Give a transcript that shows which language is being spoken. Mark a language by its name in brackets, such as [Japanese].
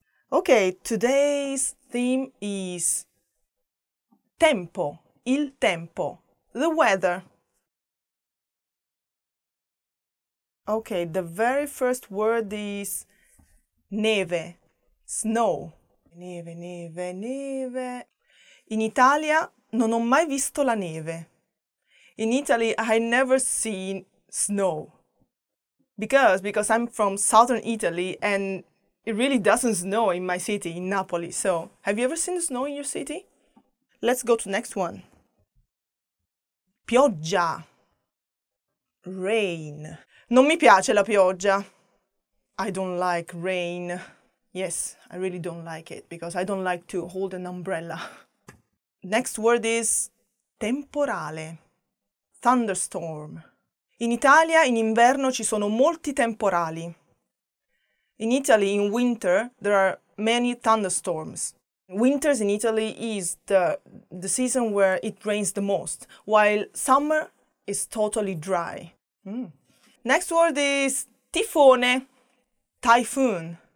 [English] Okay, today's theme is tempo, il tempo, the weather. Okay, the very first word is neve, snow. [Italian] Neve, neve, neve. In Italia non ho mai visto la neve. [English] In Italy I never seen snow. Because I'm from southern Italy and it really doesn't snow in my city, in Napoli. So, have you ever seen the snow in your city? Let's go to next one. Pioggia. [Italian] Rain. Non mi piace la pioggia. [English] I don't like rain. Yes, I really don't like it because I don't like to hold an umbrella. Next word is temporale, thunderstorm. [Italian] In Italia in inverno ci sono molti temporali. [English] In Italy in winter there are many thunderstorms. Winters in Italy is the season where it rains the most, while summer is totally dry. Next word is tifone, typhoon.